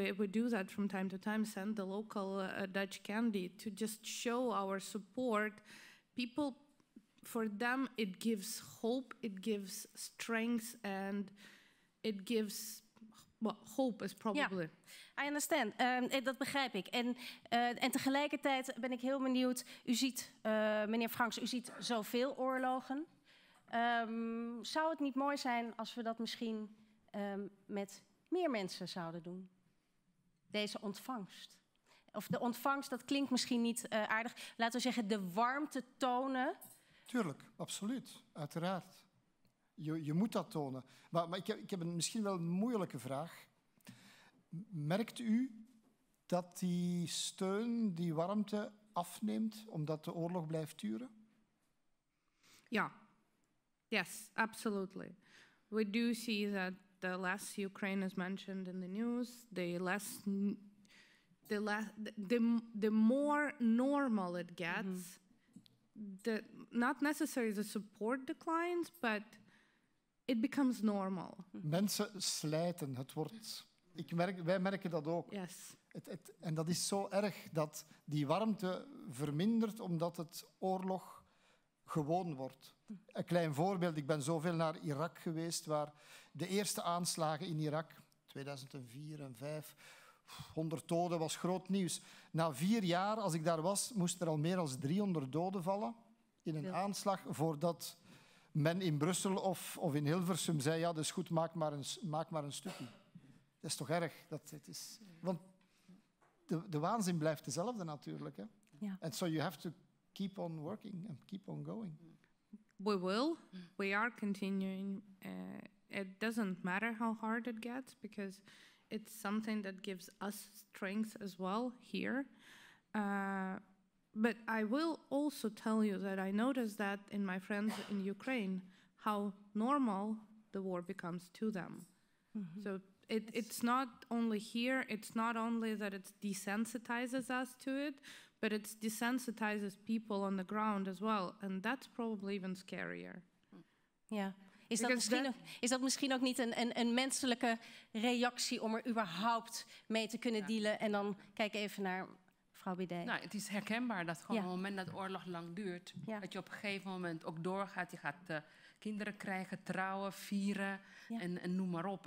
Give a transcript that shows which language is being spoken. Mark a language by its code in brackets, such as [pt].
[en] do that from time to time, send the local Dutch candy to just show our support, people, for them, it gives hope, it gives strength, and it gives, well, hope is probably. [nl] Ja, [en] I understand. [nl] Dat begrijp ik. En tegelijkertijd ben ik heel benieuwd. U ziet, meneer Franks, u ziet zoveel oorlogen. Zou het niet mooi zijn als we dat misschien met meer mensen zouden doen? Deze ontvangst. Of de ontvangst, dat klinkt misschien niet aardig. Laten we zeggen, de warmte tonen. Tuurlijk, absoluut, uiteraard. Je moet dat tonen. Maar ik heb misschien wel een moeilijke vraag. Merkt u dat die steun, die warmte afneemt omdat de oorlog blijft duren? [en] Ja. Yes, absolutely. We do see that the less Ukraine is mentioned in the news, the more normal it gets. Mm-hmm. The not necessarily the support declines, but it becomes normal. [nl] Mensen slijten, het wordt. Wij merken dat ook. [en] Yes. [nl] En dat is zo erg dat die warmte vermindert omdat het oorlog gewoon wordt. Een klein voorbeeld, ik ben zoveel naar Irak geweest, waar de eerste aanslagen in Irak, 2004 en 2005, 100 doden was groot nieuws. Na 4 jaar, als ik daar was, moest er al meer dan 300 doden vallen in een aanslag voordat men in Brussel of in Hilversum zei, ja, dat is goed, maak maar een stukje. Dat is toch erg? Want de waanzin blijft dezelfde natuurlijk. Hè? Ja. [en] And so you have to keep on working and keep on going. We will. We are continuing. It doesn't matter how hard it gets, because it's something that gives us strength as well here. But I will also tell you that I noticed that in my friends in Ukraine, how normal the war becomes to them. Mm-hmm. So it's not only here, it's not only that it desensitizes us to it, but it desensitizes people on the ground as well. And that's probably even scarier. Yeah. [nl] Is dat misschien ook niet een menselijke reactie om er überhaupt mee te kunnen dealen? En dan kijk even naar mevrouw Bidet. Nou, het is herkenbaar dat gewoon op het moment dat oorlog lang duurt, dat je op een gegeven moment ook doorgaat. Je gaat kinderen krijgen, trouwen, vieren en noem maar op.